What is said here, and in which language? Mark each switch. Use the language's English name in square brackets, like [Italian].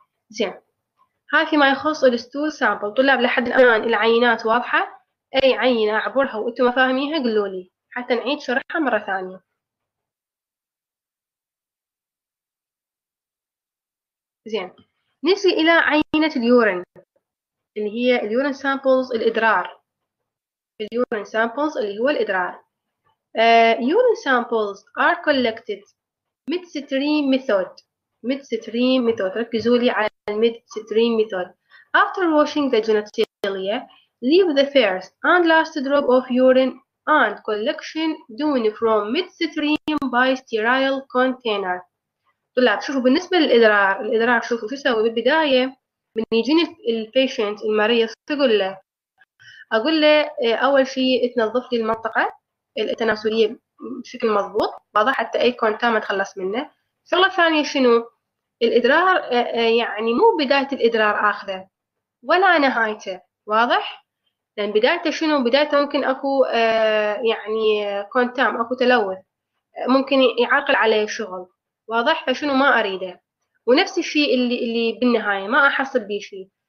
[Arabic] زين، هاي فيما يخص الستول سامبل. طلاب لحد الآن العينات واضحة؟ أي عينة أعبرها وأنتم فاهميها قولوا لي حتى نعيد شرحها مرة ثانية. زين، نجي إلى عينة اليورين اللي هي اليورين سامبلز، الإدرار، اليورين سامبلز اللي هو الإدرار. [English] Urine samples are collected midstream method. midstream method، [Arabic] ركزوا لي على [English] midstream method. after washing the genitalia leave the first and last drop of urine and collection done from midstream by sterile container. [Arabic] طلاب شوفوا بالنسبة للإدرار، الإدرار شوفوا شو سوي بالبداية من يجيني الpatient المريض، شو أقول له؟ أقول له أول شيء تنظف لي المنطقة التناسلية بشكل مضبوط، واضح؟ حتى أي كونتام ما تخلص منه. شغلة ثانية شنو؟ الإدرار يعني مو بداية الإدرار آخذه ولا نهايته، واضح؟ لأن بدايته شنو؟ بدايته ممكن أكو يعني كونتام، أكو تلوث ممكن يعرقل عليه الشغل، واضح؟ فشنو ما أريده، ونفس الشيء اللي بالنهاية ما أحصل بيه شيء.